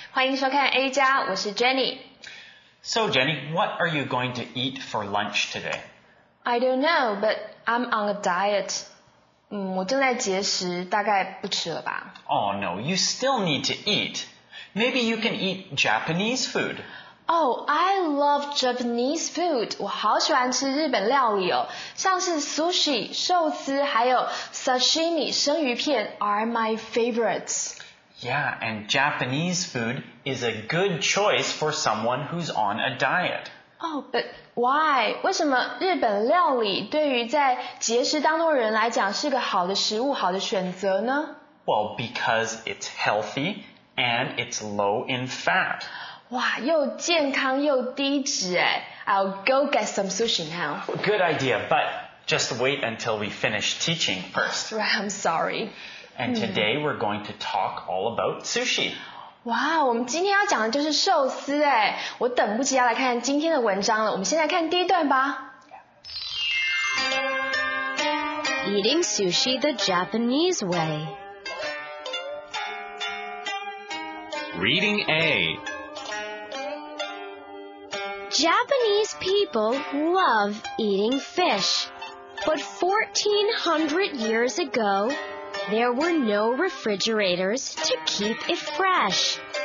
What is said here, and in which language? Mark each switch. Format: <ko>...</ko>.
<zh>欢迎收看 A 加，我是 Jenny.</zh> <en>So Jenny, what are you going to eat for lunch today? I don't know, but I'm on a diet.</en> <zh>我正在节食，大概不吃了吧。</zh> <en>Oh no, you still need to eat. Maybe you can eat Japanese food. Oh, I love Japanese food.</en> <zh>我好喜欢吃日本料理哦，像是 sushi 寿司，还有 sashimi 生鱼片</zh> <en>are my favorites. Yeah, and Japanese food is a good choice for someone who's on a diet. Oh, but why?</en> <zh>为什么日本料理对于在节食当中的人来讲是个好的食物，好的选择呢？</zh> <en>Well, because it's healthy and it's low in fat.</en> <zh>哇，又健康又低脂哎！</zh> <en>I'll go get some sushi now. Good idea, but just wait until we finish teaching first. Right, I'm sorry. And today we're going to talk all about sushi.</en> <zh>哇，我们今天要讲的就是寿司哎！我等不及要来看今天的文章了。我们先来看第一段吧。</zh> <en>Eating sushi the Japanese way. Reading A. Japanese people love eating fish, but 1400 years ago, there were no refrigerators to keep it fresh.</en>